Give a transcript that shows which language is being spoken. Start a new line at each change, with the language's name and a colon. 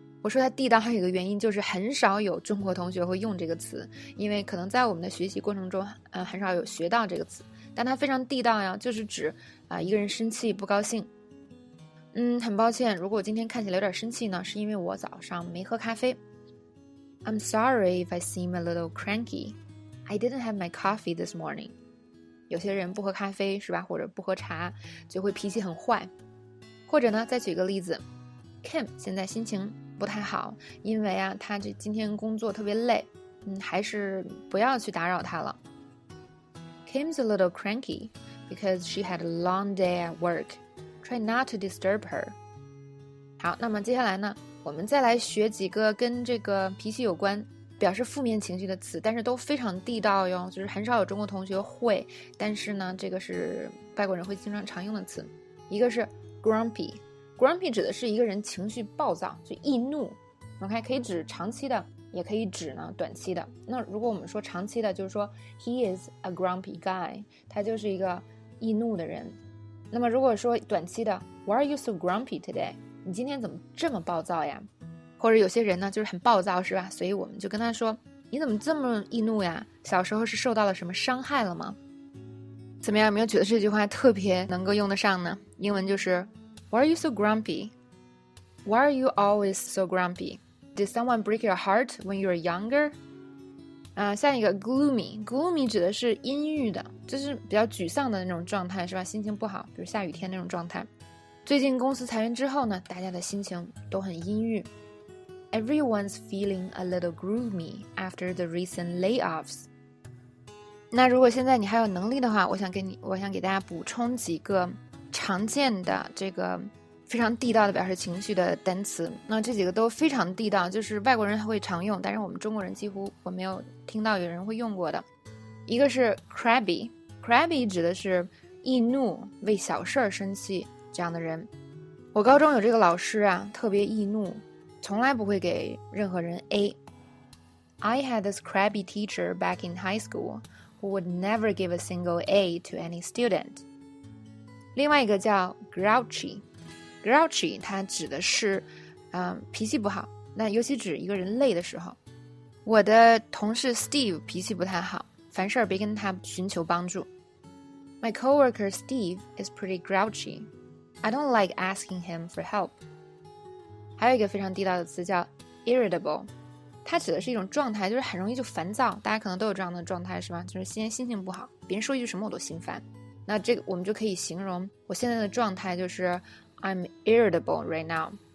Chinese: 我说它地道还有一个原因，就是很少有中国同学会用这个词，因为可能在我们的学习过程中很少有学到这个词，但它非常地道呀，就是指一个人生气不高兴。很抱歉，如果今天看起来有点生气呢，是因为我早上没喝咖啡。
English: I'm sorry if I seem a little cranky. I didn't have my coffee this morning.
Chinese: 有些人不喝咖啡是吧，或者不喝茶就会脾气很坏。或者呢，再举个例子， Kim 现在心情不太好，因为他这今天工作特别累，还是不要去打扰他了。
English: Kim's a little cranky because she had a long day at work. Try not to disturb her.
Chinese: 好，那么接下来呢，我们再来学几个跟这个脾气有关表示负面情绪的词，但是都非常地道哟，就是很少有中国同学会，但是呢这个是外国人会经常常用的词。一个是 grumpygrumpy 指的是一个人情绪暴躁，就易怒。 OK， 可以指长期的，也可以指呢短期的。那如果我们说长期的，就是说
English: He is a grumpy guy，
Chinese: 他就是一个易怒的人。那么如果说短期的，
English: Why are you so grumpy today？
Chinese: 你今天怎么这么暴躁呀？或者有些人呢就是很暴躁是吧，所以我们就跟他说，你怎么这么易怒呀？小时候是受到了什么伤害了吗？怎么样，有没有觉得这句话特别能够用得上呢？英文就是
English: Why are you so grumpy? Why are you always so grumpy? Did someone break your heart when you were younger?
Chinese: 下一个 gloomy. Gloomy 指的是阴郁的，就是比较沮丧的那种状态是吧，心情不好，比如下雨天那种状态。最近公司裁员之后呢，大家的心情都很阴郁。
English: Everyone's feeling a little gloomy after the recent layoffs.
Chinese: 那如果现在你还有能力的话，我想给大家补充几个常见的这个非常地道的表示情绪的单词。那这几个都非常地道，就是外国人会常用，但是我们中国人几乎我没有听到有人会用过的。一个是 crabby， crabby 指的是易怒，为小事儿生气这样的人。我高中有这个老师啊，特别易怒，从来不会给任何人 A。
English: I had this crabby teacher back in high school who would never give a single A to any student。
Chinese: 另外一个叫 grouchy， grouchy 它指的是脾气不好，那尤其指一个人累的时候。我的同事 Steve 脾气不太好，凡事别跟他寻求帮助。
English: My coworker Steve is pretty grouchy. I don't like asking him for help.
Chinese: 还有一个非常地道的词叫 irritable， 它指的是一种状态，就是很容易就烦躁，大家可能都有这样的状态是吧，就是现在心情不好，别人说一句什么我都心烦。那这个我们就可以形容我现在的状态，就是
English: I'm irritable right now。